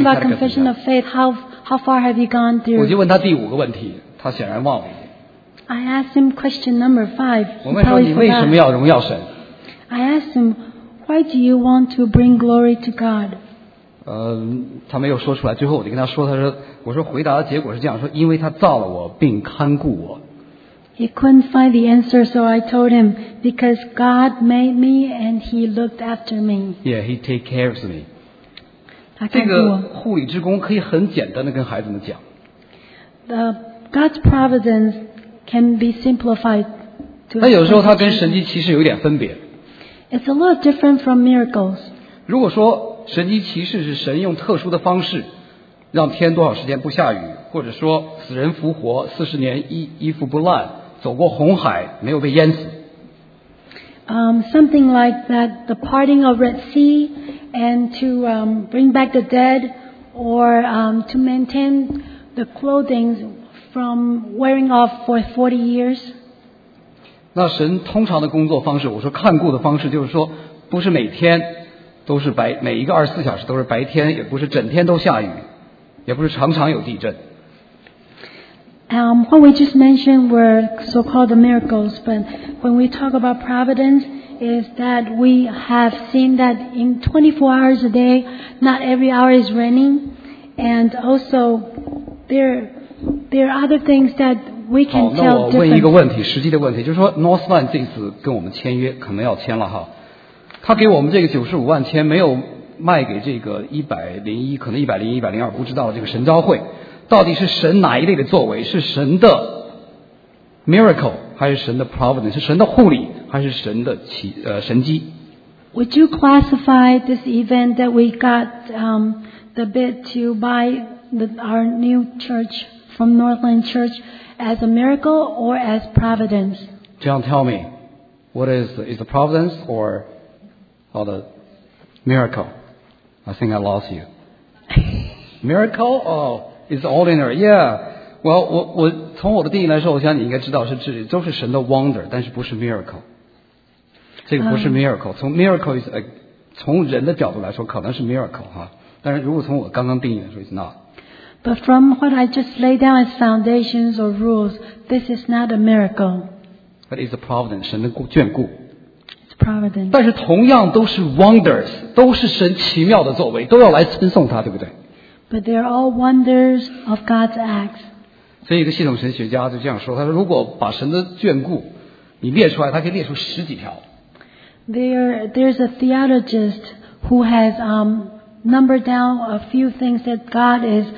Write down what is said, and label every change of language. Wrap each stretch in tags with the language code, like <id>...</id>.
<en>about confession of faith. How far have you gone through?</en> <zh>我就问他第五个问题，他显然忘了。</zh> <en>I asked him question number 5.</en> <zh>我问说你为什么要荣耀神</zh> <en>？I asked him, why do you want to bring glory to God?</en> <zh>他没有说出来。最后我就跟他说，他说，我说回答的结果是这样，说因为他造了我并看顾我。</zh> <en>He couldn't find the answer, so I told him, because God made me and he looked after me. Yeah, he take care of me.</en> <zh>他看顾我。这个护理之功可以很简单的跟孩子们讲。</zh> <en>The God's providence can be simplified.</en> <zh>那有时候他跟神迹其实有点分别。</zh> <en>It's a little different from miracles.</en> <zh>如果说神迹其实是神用特殊的方式让天多少时间不下雨，或者说死人复活40年衣服不烂，走过红海没有被淹死。</zh> <en>Something like that, the parting of Red Sea, and to bring back the dead, or to maintain the clothing from wearing off for 40 years.</en> <zh>那神通常的工作方式，我说看顾的方式，就是说，不是每天都是白，每一个24小时都是白天，也不是整天都下雨，也不是常常有地震。</zh> <en>What we just mentioned were so-called the miracles, but when we talk about providence, is that we have seen that in 24 hours a day, not every hour is raining, and also there are other things that we can tell differently.</en> <zh>好，那我问一个问题，实际的问题，就是说 Northland 这次跟我们签约，可能要签了哈。他给我们这个95万签，没有卖给这个101，可能101、102，不知道这个神召会。到底是神哪一类的作为？是神的 miracle 还是神的 providence？是神的护理还是神的神迹</zh> <en>？Would you classify this event that we got the bid to buy our new church from Northland Church as a miracle or as providence？ John, tell me, what is the providence or the miracle？ I think I lost you. Miracle or It's ordinary, yeah. Well,</en> <zh>我从我的定义来说，我想你应该知道是都是神的 wonder， 但是不是 miracle。这个不是 miracle。从</zh> <en>miracle is</en> <zh>从人的角度来说可能是 miracle 哈，但是如果从我刚刚定义来说 ，</zh> <en>it's not。 But from what I just laid down as foundations or rules, this is not a miracle. But it's a providence，</en> <zh>神的眷顾。</zh> <en>It's providence。</en> <zh>但是同样都是 wonders， 都是神奇妙的作为，都要来称颂他，对不对？</zh> <en>But they're all wonders of God's acts.</en> <zh>所以一个系统神学家就这样说，他说如果把神的眷顾你列出来，他可以列出十几条。</zh> <en>There's a theologist who has numbered down a few things that God is.</en>